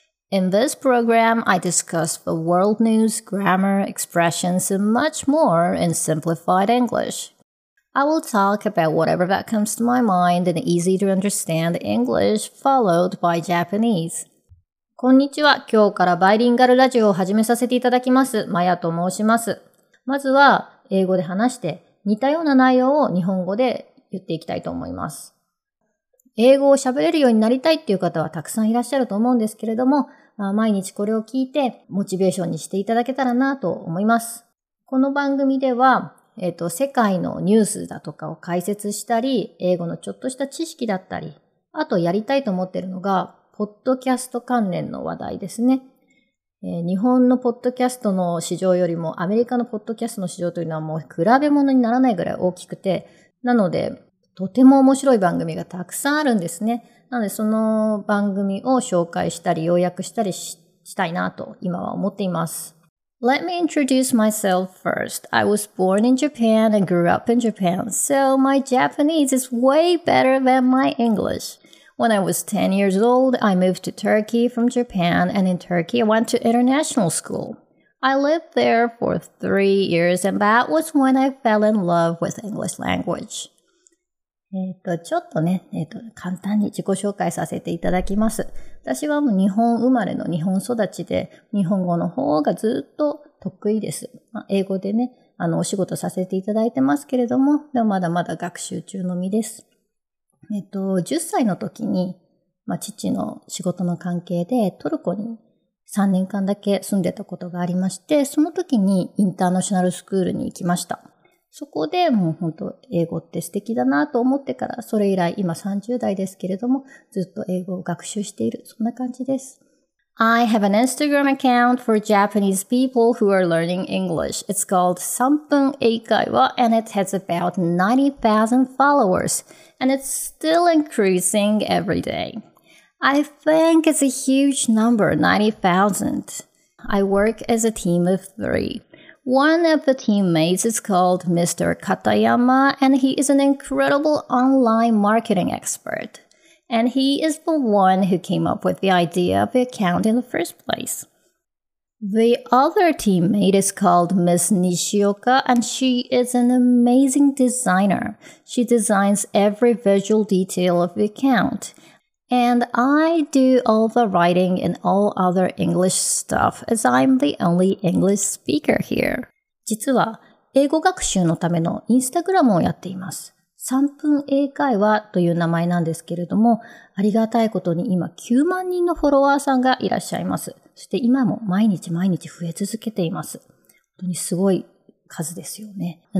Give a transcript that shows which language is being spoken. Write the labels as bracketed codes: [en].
[en] In this program, I discuss the world news, grammar, expressions, and much more in simplified English. I will talk about whatever that comes to my mind in easy to understand English, followed by Japanese. [ja] こんにちは。今日からバイリンガルラジオを始めさせていただきます。マヤと申します。まずは英語で話して似たような内容を日本語で言っていきたいと思います。英語を喋れるようになりたいっていう方はたくさんいらっしゃると思うんですけれども、毎日これを聞いてモチベーションにしていただけたらなと思います。この番組では世界のニュースだとかを解説したり、英語のちょっとした知識だったり、あとやりたいと思ってるのが、ポッドキャスト関連の話題ですね。日本のポッドキャストの市場よりも、アメリカのポッドキャストの市場というのはもう比べ物にならないぐらい大きくて、なので、とても面白い番組がたくさんあるんですね。なので、その番組を紹介したり、要約したり したいなと、今は思っています。 [en] Let me introduce myself first. I was born in Japan and grew up in Japan, so my Japanese is way better than my English. When I was 10 years old, I moved to Turkey from Japan, and in Turkey, I went to international school. I lived there for 3 years, and that was when I fell in love with English language. [ja] ちょっとね、簡単に自己紹介させていただきます。私はもう日本生まれの日本育ちで、日本語の方がずっと得意です。まあ、英語でね、お仕事させていただいてますけれども、でもまだまだ学習中の身です。 10歳の時に、まあ、父の仕事の関係でトルコに3年間だけ住んでたことがありまして、その時にインターナショナルスクールに行きました。そこでもう本当英語って素敵だなと思ってから、それ以来今30代ですけれども、ずっと英語を学習している、そんな感じです。 [en] I have an Instagram account for Japanese people who are learning English. It's called 3分英会話 and it has about 90,000 followers. And it's still increasing every day. I think it's a huge number, 90,000. I work as a team of 3. One of the teammates is called Mr. Katayama, and he is an incredible online marketing expert. And he is the one who came up with the idea of the account in the first place. The other teammate is called Ms. Nishioka, and she is an amazing designer. She designs every visual detail of the account. And I do all the writing and all other English stuff, as I'm the only English speaker here. [ja] 実は、英語学習のためのインスタグラムをやっています。 3分英会話という名前なんですけれども、ありがたいことに今9万人のフォロワーさんがいらっしゃいます。そして今も毎日毎日増え続けています。本当にすごい数ですよね。